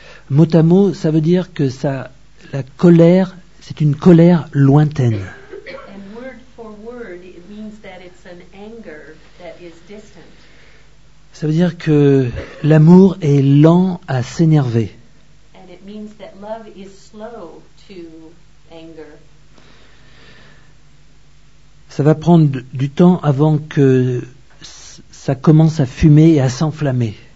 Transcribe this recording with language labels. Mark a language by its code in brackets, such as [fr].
[fr] Mot à mot, ça veut dire que la colère, c'est une colère lointaine. [en] And word for word, it means that it's an anger that is distant. [fr] Ça veut dire que l'amour est lent à s'énerver. [en] And it means that love is slow to anger. [fr] Ça va prendre du temps avant que ça commence à fumer et à s'enflammer.